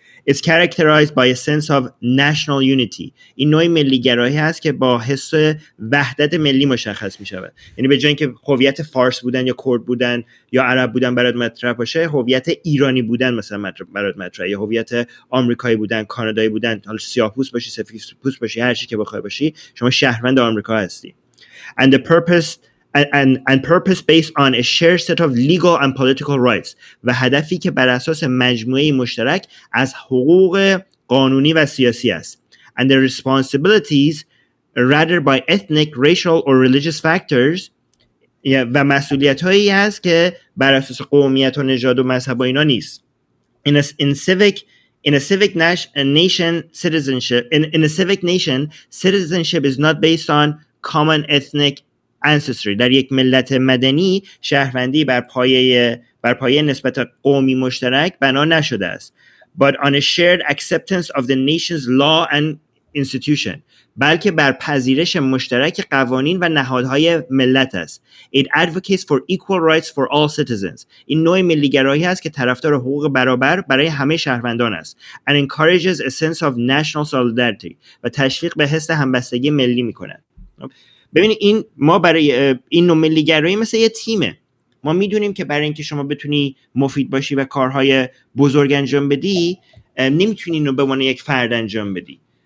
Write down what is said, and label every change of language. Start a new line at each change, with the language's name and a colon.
English: It's characterized by a sense of national unity
Persian: این نوع ملیگرایی هست که با حس وحدت ملی مشخص می شود یعنی به جای اینکه هویت فارس بودن یا کرد بودن یا عرب بودن برات مطرح باشه هویت ایرانی بودن مثلا برات مطرح یا هویت آمریکایی بودن کانادایی بودن حالا سیاه‌پوست باشی سفیدپوست باشی هر چیزی که بخوای باشی شما شهروند آمریکا هستی
English: And the purpose And purpose based on a shared set of legal and political rights
Persian: و هدفی که بر اساس مجموعه مشترک از حقوق قانونی و سیاسی است
English: and the responsibilities rather by ethnic, racial or religious factors.
Persian: و مسئولیت هایی هست که بر اساس قومیت و نژاد و مذهب و اینا نیست.
English: In a civic nation, citizenship is not based on common ethnic ancestry.
Persian: در یک ملت مدنی شهروندی بر پایه نسبت قومی مشترک بنا نشده است.
English: But on a shared acceptance of the nation's law and institution.
Persian: بلکه بر پذیرش مشترک قوانین و نهادهای ملت است.
English: It advocates for equal rights for all citizens.
Persian: این نوع ملی‌گرایی است که طرفدار حقوق برابر برای همه شهروندان است.
English: And encourages a sense of national solidarity.
Persian: و تشویق به حس همبستگی ملی می‌کند. ببینید این ما برای این نوع ملی‌گرایی مثل یه تیمه. ما می‌دونیم که برای اینکه شما بتونی مفید باشی و کارهای بزرگ انجام بدی، نمی‌تونی اینو به عنوان یک فرد انجام بدی.